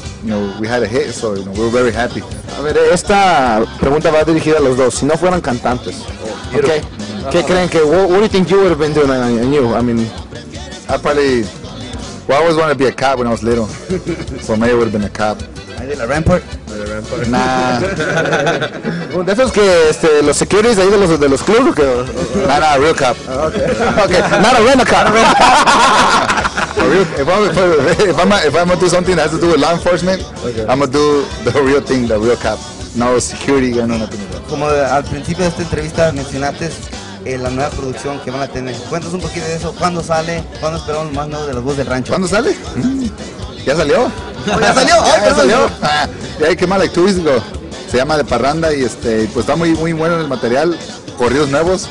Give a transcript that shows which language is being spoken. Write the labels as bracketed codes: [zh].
[en] you know, we had a hit, so you know, we were very happy. [es] A ver, esta pregunta va dirigida a los dos. Si no fueran cantantes, okay, ¿qué creen que, [en] what do you think you would have been doing? I knew, I mean, I probably, well, I always wanted to be a cop when I was little. So maybe it would have been a cop. [es] ¿De la Rampart? Nah. ¿De esos que este, los securities ahí de los clubs? Que, [en] nah, nah, a real cop. Okay. Not a rent-a-cop. If I'm going to do something that has to do with law enforcement, okay, I'm going to do the real thing, the real cop. No security, no nothing. [es] Como al principio de esta entrevista mencionaste la nueva producción que van a tener. Cuéntanos un poquito de eso. ¿Cuándo sale? ¿Cuándo esperamos más nuevo de la voz del rancho? ¿Cuándo sale? ¿Ya salió? ¿Ya salió? Ah, ya, qué mal, [en] like 2 weeks ago. [es] Se llama De Parranda y este, pues está muy, muy bueno el material. Corridos nuevos.